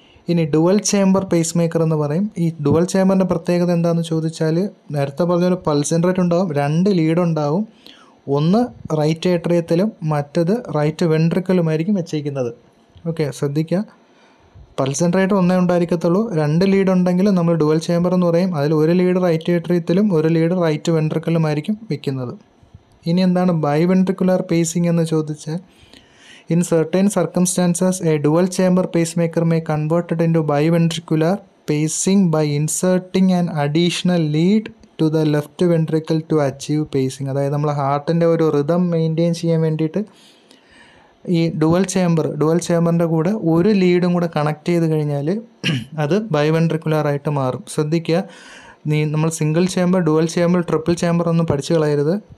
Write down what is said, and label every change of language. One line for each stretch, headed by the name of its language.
Malayalam: ഇനി dual chamber pace maker എന്ന് പറയും. ഈ ഡുവൽ ചേംബറിൻ്റെ പ്രത്യേകത എന്താണെന്ന് ചോദിച്ചാൽ, നേരത്തെ പറഞ്ഞൊരു പൾസ് ജനറേറ്റർ ഉണ്ടാവും, രണ്ട് ലീഡുണ്ടാവും, ഒന്ന് റൈറ്റ് ഏട്രിയത്തിലും മറ്റത് റൈറ്റ് വെൻട്രിക്കിളുമായിരിക്കും വെച്ചേക്കുന്നത്. ഓക്കെ, ശ്രദ്ധിക്കുക, പൾസ് ജനറേറ്റർ ഒന്നേ ഉണ്ടായിരിക്കത്തുള്ളൂ, രണ്ട് ലീഡുണ്ടെങ്കിലും നമ്മൾ ഡുവൽ ചേംബർ എന്ന് പറയും. അതിൽ ഒരു ലീഡ് റൈറ്റ് ഏട്രിയത്തിലും ഒരു ലീഡ് റൈറ്റ് വെൻട്രിക്കിളിലുമായിരിക്കും വെക്കുന്നത്. ഇനി എന്താണ് ബൈ വെൻട്രിക്കുലർ പേസിംഗ് എന്ന് ചോദിച്ചാൽ,
English: In certain circumstances, a dual chamber pacemaker may convert it into biventricular pacing by inserting an additional lead to the left ventricle to achieve pacing.
Malayalam: അതായത് നമ്മൾ ഹാർട്ടിൻ്റെ ഒരു റിതം മെയിൻറ്റെയിൻ ചെയ്യാൻ വേണ്ടിയിട്ട് ഈ ഡുവൽ ചേമ്പറിൻ്റെ കൂടെ ഒരു ലീഡും കൂടെ കണക്ട് ചെയ്ത് കഴിഞ്ഞാൽ അത് ബൈവെൻട്രിക്കുലറായിട്ട് മാറും. ശ്രദ്ധിക്കുക, നീ നമ്മൾ single chamber, dual chamber, triple chamber ഒന്നും പഠിച്ചു കളയരുത്.